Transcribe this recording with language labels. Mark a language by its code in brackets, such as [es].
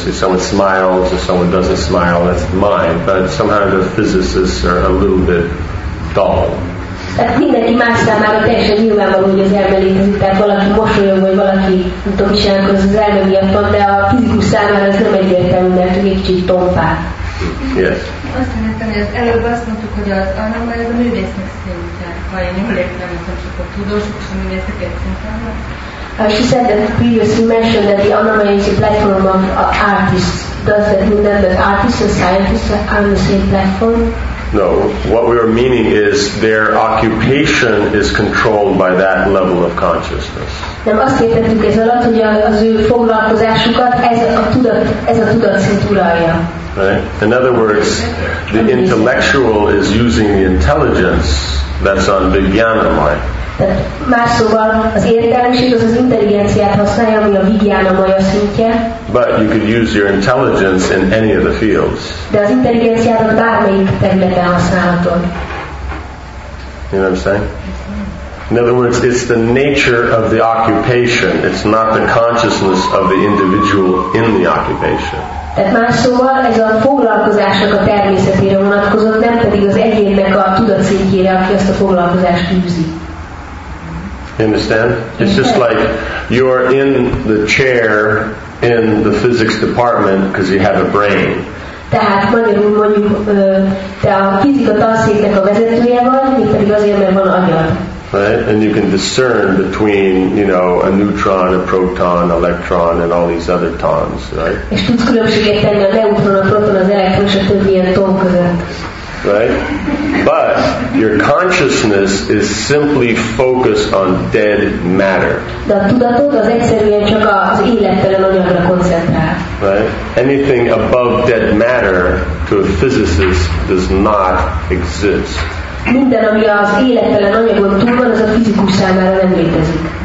[en] If someone smiles or someone doesn't smile, that's the mind. But somehow the physicists are a little bit dull. [hu] Tehát mindenki más számára teljesen nyilvánvaló, hogy az elme létezik. Tehát valaki mosolyog, vagy valaki nem tudom, hogy csinálnak az elme miatt van, de a fizikus számára ez nem egyértelmű, mert egy kicsit tompá. [en] Yes. [hu] Azt mondtam, hogy az előbb azt mondtuk, hogy az anamoy majd a művésznek szintjén, ha én jól értem, hogy csak a tudósok és a művészek egy szinten van. [en] She said that previously mentioned that the anamoy is a platform of artists. Does that mean that the artists and scientists are on the same platform? No. What we are meaning is their occupation is controlled by that level of consciousness. [hu] Nem azt értettük ez alatt, hogy az ő foglalkozásukat ez a tudat szint uralja. [en] Right? In other words, the intellectual is using the intelligence that's on vigyanamaya. [hu] Más szóval, az értelmiség az intelligenciát használja, ami a vigyanamaya szintje. [en] But you could use your intelligence in any of the fields. [hu] De az intelligenciát a bármelyik területen használhatod. [en] You know what I'm saying? In other words, it's the nature of the occupation. It's not the consciousness of the individual in the occupation. [hu] Tehát más szóval ez a foglalkozásnak a természetére vonatkozott, nem pedig az egyénnek a tudatszintjére, aki ezt a foglalkozást űzi. [en] Understand? It's just like you're in the chair in the physics department because you have a brain. [hu] Tehát magyarul mondjuk, te a fizika tanszéknek a vezetője vagy, mint pedig azért, mert van agyad. [en] Right? And you can discern between, you know, a neutron, a proton, electron, and all these other tons, right? [hu] És tudsz különbséget tenni a neutron, a proton, az elektron, és a többi ilyen ton között. [en] Right? But your consciousness is simply focused on dead matter. [hu] De a tudatod az egyszerűen csak az élettelen anyagra koncentrál. [en] Right? Anything above dead matter to a physicist does not exist. [hu] Minden, ami az élettelen anyagon túl van, az a fizikus számára nem létezik.